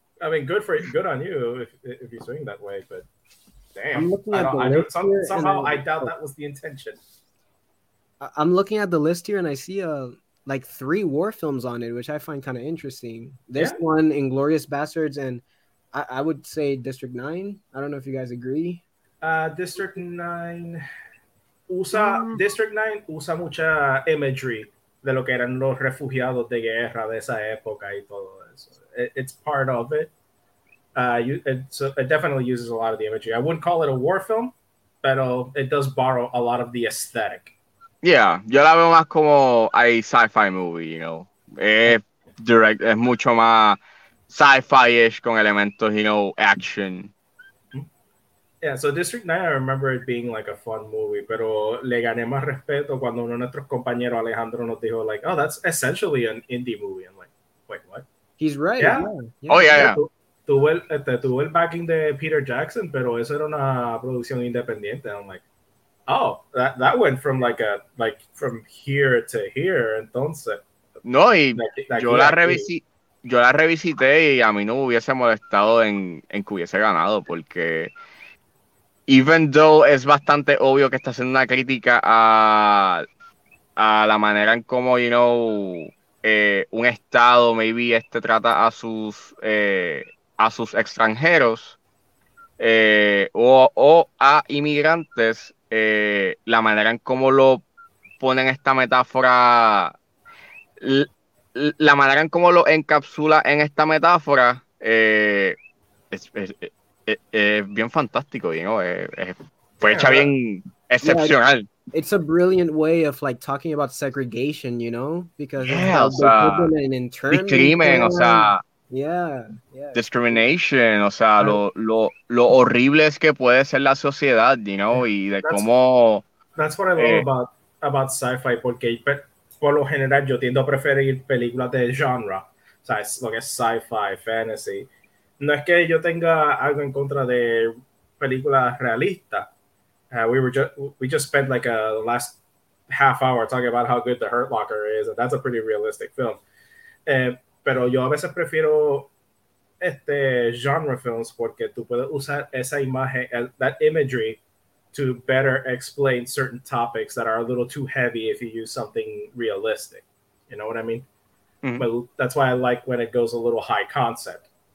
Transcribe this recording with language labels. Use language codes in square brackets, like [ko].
[en] I mean, good on you if you swing that way, but damn. I doubt that was the intention. I'm looking at the list here, and I see three war films on it, which I find kind of interesting. This one, Inglourious Basterds, and I would say District 9. I don't know if you guys agree. [es] District 9 usa District 9 usa mucha imagery de lo que eran los refugiados de guerra de esa época y todo eso. [en] It's part of it. It definitely uses a lot of the imagery. I wouldn't call it a war film, but it does borrow a lot of the aesthetic. [es] Yeah, yo la veo más como a sci-fi movie, es mucho más sci-fi-ish con elementos, action. [en] Yeah, so District 9, I remember it being like a fun movie, [es] pero le gané más respeto cuando uno de nuestros compañeros Alejandro nos dijo [en] like, oh, that's essentially an indie movie. I'm like, wait, what? He's right. Yeah. Yeah. [es] Tuvo el backing de Peter Jackson, pero eso era una producción independiente. [en] I'm like, oh, that went from from here to here. [es] Entonces. No, y yo la revisité y a mí no me hubiese molestado en que hubiese ganado, porque [en] even though [es] es bastante obvio que está haciendo una crítica a la manera en cómo, un estado maybe trata a sus extranjeros o a inmigrantes, la manera en cómo lo ponen esta metáfora, la manera en cómo lo encapsula en esta metáfora es bien fantástico, fue hecha bien excepcional. [en] It's a brilliant way of like talking about segregation, because [es] discrimination, lo horrible es que puede ser la sociedad, [en] That's what I love about sci-fi, [es] porque por lo general yo tiendo a preferir películas de genre, ¿sabes? Lo que es sci-fi, fantasy. No es que yo tenga algo en contra de películas realistas. [en] We just spent like the last half hour talking about how good The Hurt Locker is, and that's a pretty realistic film. [es] Pero yo a veces prefiero genre films porque tú puedes usar esa imagen, [en] that imagery, to better explain certain topics that are a little too heavy if you use something realistic. You know what I mean? Mm-hmm. But that's why I like when it goes a little high concept.